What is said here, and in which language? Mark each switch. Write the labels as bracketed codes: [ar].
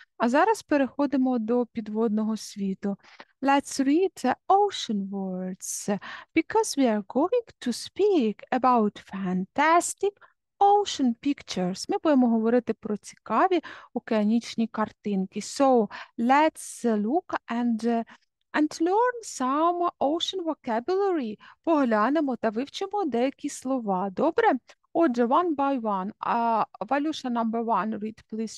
[uk] А зараз переходимо до підводного світу. [en] Let's read the ocean words. Because we are going to speak about fantastic ocean pictures. [uk] Ми будемо говорити про цікаві океанічні картинки. [en] So, let's look and learn some ocean vocabulary. [uk] Поглянемо та вивчимо деякі слова. Добре? [en] Отже, one by one. Валюша, number one, read, please.